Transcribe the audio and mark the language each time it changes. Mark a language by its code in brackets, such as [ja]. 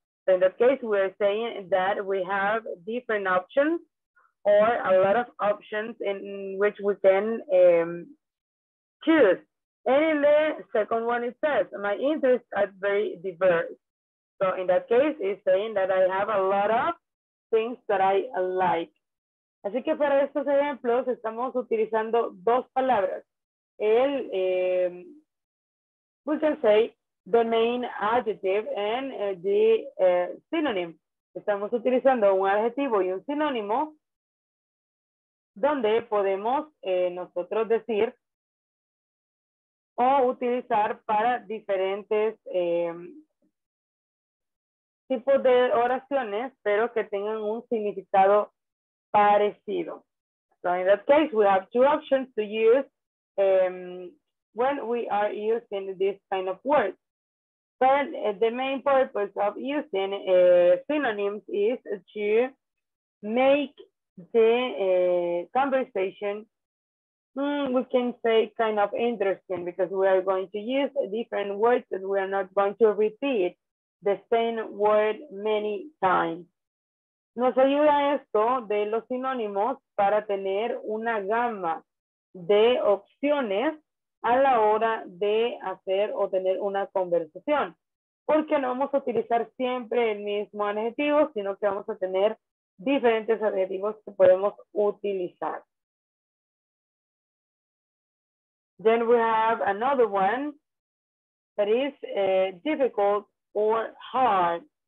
[en] So in that case, we are saying that we have different options or a lot of options in which we can choose. And in the second one, it says, my interests are very diverse. So in that case, it's saying that I have a lot of things that I like. [es] Así que para estos ejemplos, estamos utilizando dos palabras. [en] El, we can say, the main adjective and the synonym. [es] Estamos utilizando un adjetivo y un sinónimo donde podemos nosotros decir o utilizar para diferentes tipos de oraciones, pero que tengan un significado parecido. [en] So in that case, we have two options to use when we are using this kind of words. But the main purpose of using synonyms is to make the conversation, we can say, kind of interesting, because we are going to use different words and we are not going to repeat the same word many times. [es] Nos ayuda esto de los sinónimos para tener una gama de opciones a la hora de hacer o tener una conversación, porque no vamos a utilizar siempre el mismo adjetivo, sino que vamos a tener diferentes adjetivos que podemos utilizar. [en] Then we have another one that is difficult or hard.